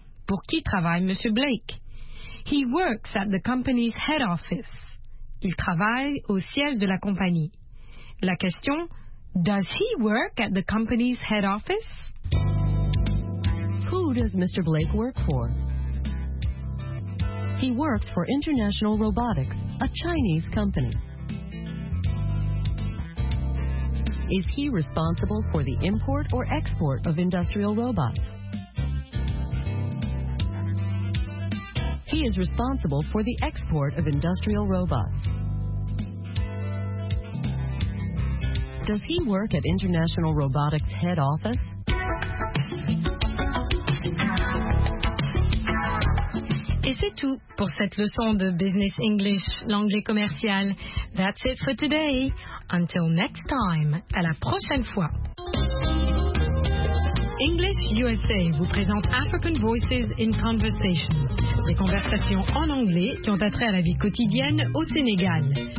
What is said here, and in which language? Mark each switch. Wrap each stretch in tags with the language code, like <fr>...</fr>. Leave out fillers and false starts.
<fr>Pour qui travaille Monsieur Blake?</fr> <en>He works at the company's head office.</en> <fr>Il travaille au siège de la compagnie. La question,</fr> <en>does he work at the company's head office? Who does Mr. Blake work for? He works for International Robotics, a Chinese company. Is he responsible for the import or export of industrial robots? He is responsible for the export of industrial robots. Does he work at International Robotics head office?</en> <fr>Et c'est tout pour cette leçon de Business English, l'anglais commercial.</fr> <en>That's it for today. Until next time,</en> <fr>à la prochaine fois. English USA vous présente African Voices in Conversation, des conversations en anglais qui ont attrait à la vie quotidienne au Sénégal.</fr>